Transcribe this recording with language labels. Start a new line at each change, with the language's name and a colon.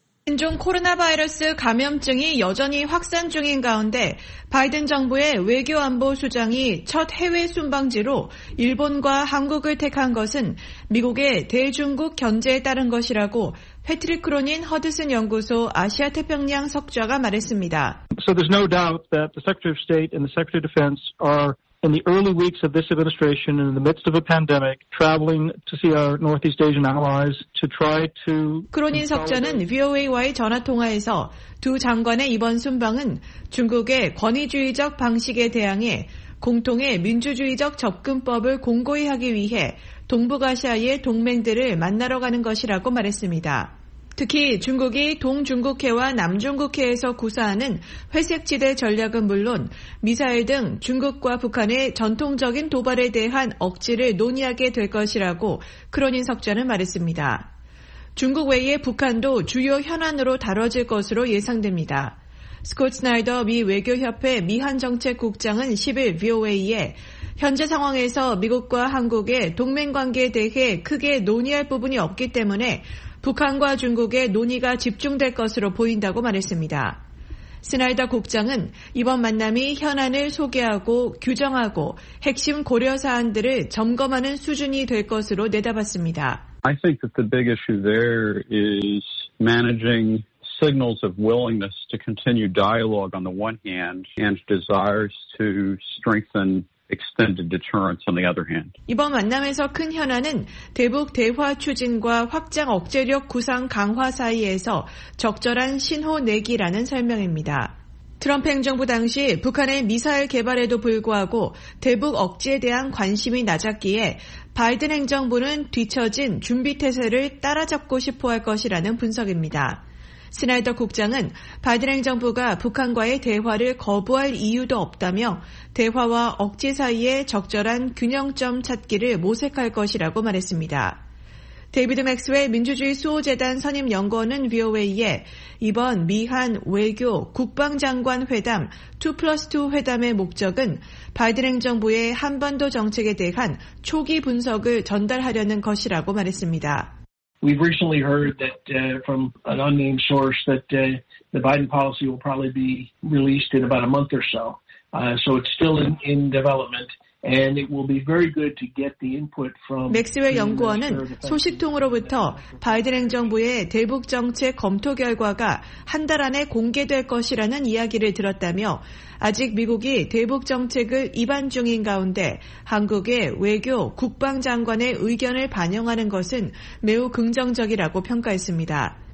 Korean: 신종 코로나 바이러스 감염증이 여전히 확산 중인 가운데 바이든 정부의 외교안보 수장이 첫 해외 순방지로 일본과 한국을 택한 것은 미국의 대중국 견제에 따른 것이라고 패트릭 크로닌 허드슨 연구소 아시아 태평양 석좌가 말했습니다.
English: So there's no doubt that the Secretary of State and the Secretary of Defense are in the early weeks of this administration, in the midst of a pandemic, traveling to see our Northeast Asian allies to try to.
Korean: 크로닌 석전은 VOA와의 전화 통화에서 두 장관의 이번 순방은 중국의 권위주의적 방식에 대항해 공통의 민주주의적 접근법을 공고히 하기 위해 동북아시아의 동맹들을 만나러 가는 것이라고 말했습니다. 특히 중국이 동중국해와 남중국해에서 구사하는 회색지대 전략은 물론 미사일 등 중국과 북한의 전통적인 도발에 대한 억지를 논의하게 될 것이라고 크로닌 석좌는 말했습니다. 중국 외에 북한도 주요 현안으로 다뤄질 것으로 예상됩니다. 스콧 스나이더 미 외교협회 미한정책국장은 10일 VOA에 현재 상황에서 미국과 한국의 동맹관계에 대해 크게 논의할 부분이 없기 때문에 북한과 중국의 논의가 집중될 것으로 보인다고 말했습니다. 스나이더 국장은 이번 만남이 현안을 소개하고 규정하고 핵심 고려 사안들을 점검하는 수준이 될 것으로 내다봤습니다.
English: I think that the big issue there is managing signals of willingness to continue dialogue on the one hand and desires to strengthen extended deterrence on the other hand.
Korean: 이번 만남에서 큰 현안은 대북 대화 추진과 확장 억제력 구상 강화 사이에서 적절한 신호 내기라는 설명입니다. 트럼프 행정부 당시 북한의 미사일 개발에도 불구하고 대북 억제에 대한 관심이 낮았기에 바이든 행정부는 뒤처진 준비 태세를 따라잡고 싶어 할 것이라는 분석입니다. 스나이더 국장은 바이든 행정부가 북한과의 대화를 거부할 이유도 없다며 대화와 억지 사이에 적절한 균형점 찾기를 모색할 것이라고 말했습니다. 데이비드 맥스웰 민주주의 수호재단 선임연구원은 VOA에 이번 미한 외교 국방장관 회담 2+2 회담의 목적은 바이든 행정부의 한반도 정책에 대한 초기 분석을 전달하려는 것이라고 말했습니다.
English: We've recently heard that from an unnamed source that the Biden policy will probably be released in about a month or so. So it's still in development and it will be very good to get the input from
Korean: 맥스웰 연구원은 소식통으로부터 바이든 행정부의 대북 정책 검토 결과가 한 달 안에 공개될 것이라는 이야기를 들었다며 아직 미국이 대북 정책을 입안 중인 가운데 한국의 외교 국방 장관의 의견을 반영하는 것은 매우 긍정적이라고 평가했습니다.